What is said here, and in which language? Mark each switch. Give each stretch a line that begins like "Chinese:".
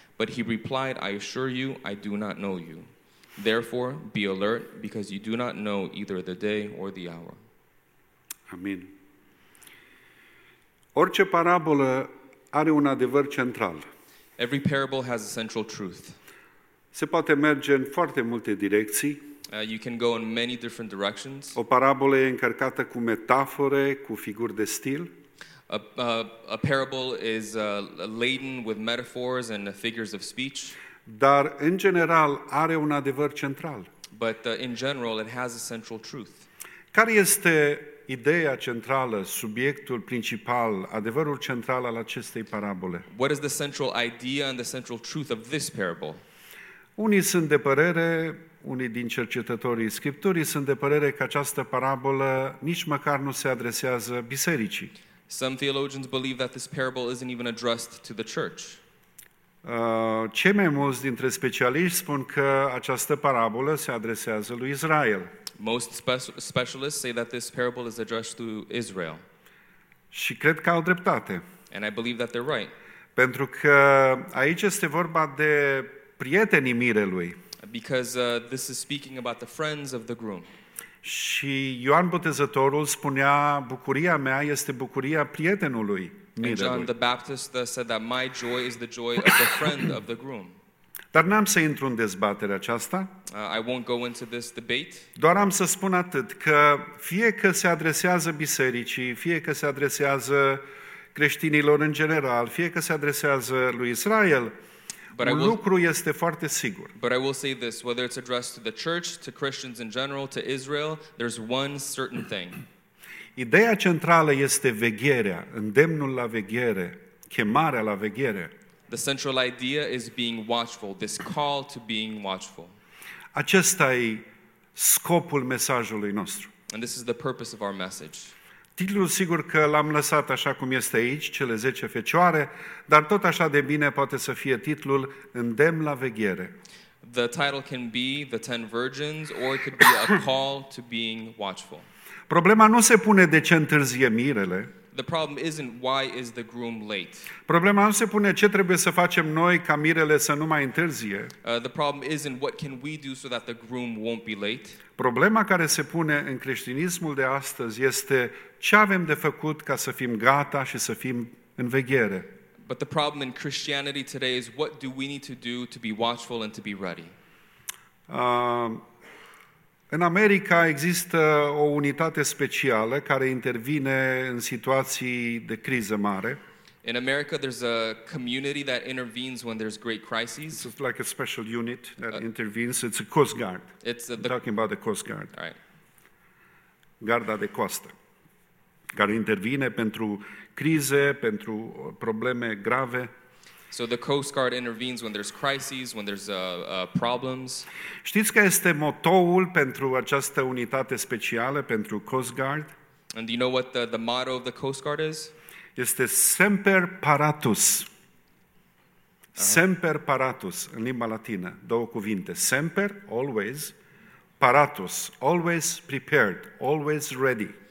English: But he replied, I assure you, I do not know you. Therefore, be alert, because you do not know either the day or the hour.
Romanian: Amin. Orice parabolă are un adevăr central.
English: Every parable has a central truth.
Romanian: Se poate merge în foarte multe direcții.
English: You can go in many different directions.
Romanian: O parabolă e încărcată cu metafore, cu figuri de stil.
English: A parable is laden with metaphors and figures of speech.
Romanian: Dar în general are un adevăr central.
English: But in general it has a central truth.
Romanian: Care este ideea centrală, subiectul principal, adevărul central al acestei parabole?
English: What is the central idea and the central truth of this parable?
Romanian: Unii sunt de părere, unii din cercetătorii scripturii sunt de părere că această parabolă nici măcar nu se adresează bisericii.
English: Some theologians believe that this parable isn't even addressed to the church.
Romanian: Cei mai mulți dintre specialiști spun că această parabolă se adresează lui Israel.
English: Most specialists say that this parable is addressed to Israel.
Romanian: Și cred că au dreptate.
English: And I believe that they're right.
Romanian: Pentru că aici este vorba de prietenii mirelui.
English: Because this is speaking about the friends of the groom.
Romanian: Și Ioan Botezătorul spunea: bucuria mea este bucuria prietenului mirelui.
English: John the Baptist said that my joy is the joy of the friend of the groom.
Romanian: Dar n-am să intru în dezbaterea aceasta.
English: I won't go into this debate.
Romanian: Doar am să spun atât, că fie că se adresează bisericii, fie că se adresează creștinilor în general, fie că se adresează lui Israel, lucru este foarte sigur.
English: But I will say this, whether it's addressed to the church, to Christians in general, to Israel, there's one certain thing.
Romanian: Ideea centrală este vegherea, îndemnul la veghere, chemarea la veghere.
English: The central idea is being watchful, this call to being watchful.
Romanian: Acesta e scopul mesajului nostru.
English: And this is the purpose of our message.
Romanian: Titlul sigur că l-am lăsat așa cum este aici, cele 10 fecioare, dar tot așa de bine poate să fie titlul: îndemn la veghere.
English: The title can be The Ten Virgins or it could be A Call to Being Watchful.
Romanian: Problema nu se pune de ce întârzie mirele.
English: The problem isn't why is the groom late.
Romanian: Problema nu se pune ce trebuie să facem noi ca mirele să nu mai întârzie.
English: The problem isn't what can we do so that the groom won't be late.
Romanian: Problema care se pune în creștinismul de astăzi este ce avem de făcut ca să fim gata și să fim în veghere.
English: But the problem in Christianity today is what do we need to do to be watchful and to be ready.
Romanian: În America există o unitate specială care intervine în situații de criză mare.
English: In America there's a community that intervenes when there's great crises. It's like a special unit that intervenes. It's a Coast Guard. Talking about the Coast Guard. All right.
Romanian: Garda de costă. Care intervine pentru crize, pentru probleme grave.
English: So the Coast Guard intervenes when there's crises, when there's problems.
Romanian: Știți că este motoul pentru această unitate specială, pentru Coast Guard?
English: And do you know what the motto of the Coast Guard is?
Romanian: Este Semper Paratus. Semper Paratus, în limba latină, două cuvinte.
English: Semper, always. Paratus, always prepared, always ready.